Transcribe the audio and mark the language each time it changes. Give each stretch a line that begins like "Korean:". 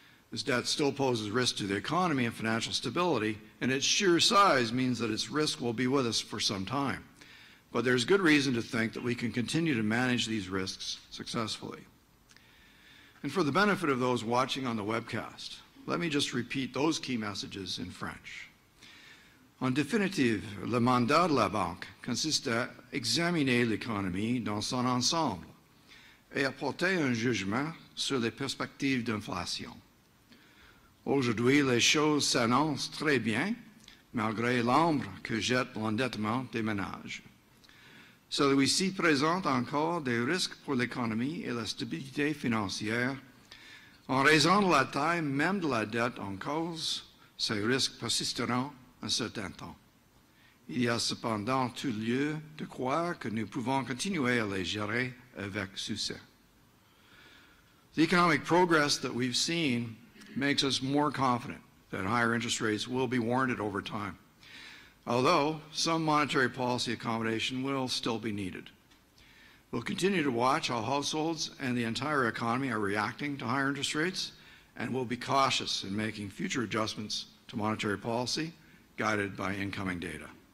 English: This debt still poses risk to the economy and financial stability, and its sheer size means that its risk will be with us for some time. But there's good reason to think that we can continue to manage these risks successfully. And for the benefit of those watching on the webcast, let me just repeat those key messages in French.
French: En définitive, le mandat de la banque consiste à examiner l'économie dans son ensemble et apporter un jugement sur les perspectives d'inflation. Aujourd'hui, les choses s'annoncent très bien, malgré l'ombre que jette l'endettement des ménages. Celui-ci présente encore des risques pour l'économie et la stabilité financière. En raison de la taille même de la dette en cause, ces risques persisteront un certain temps. Il y a cependant tout lieu de croire que nous pouvons continuer à les gérer avec succès.
English: The economic progress that we've seen makes us more confident that higher interest rates will be warranted over time, although some monetary policy accommodation will still be needed. We'll continue to watch how households and the entire economy are reacting to higher interest rates, and we'll be cautious in making future adjustments to monetary policy guided by incoming data.